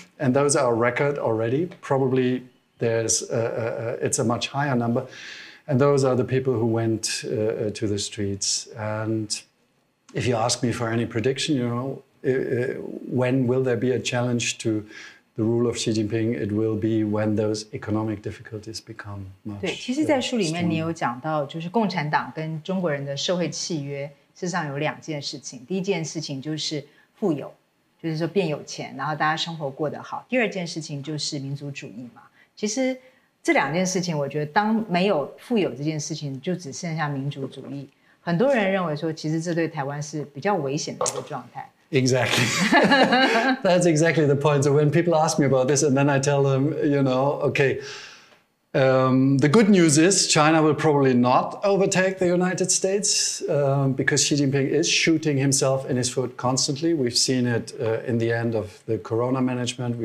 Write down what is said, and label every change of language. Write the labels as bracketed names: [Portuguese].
[English] And those are a record already. Probably it's a much higher number. And those are the people who went to the streets. And if you ask me for any prediction, when will there be a challenge to the rule of Xi Jinping? It will be when those economic difficulties become much. [Chinese] 对，其实，在书里面你有讲到，就是共产党跟中国人的社会契约，实际上有两件事情。第一件事情就是富有，就是说变有钱，然后大家生活过得好。第二件事情就是民族主义嘛。其实这两件事情，我觉得当没有富有这件事情，就只剩下民族主义。很多人认为说，其实这对台湾是比较危险的一个状态。 [English] Exactly. That's exactly the point. So when people ask me about this, and then I tell them, you know, okay, the good news is China will probably not overtake the United States because Xi Jinping is shooting himself in his foot constantly. We've seen it in the end of the corona management.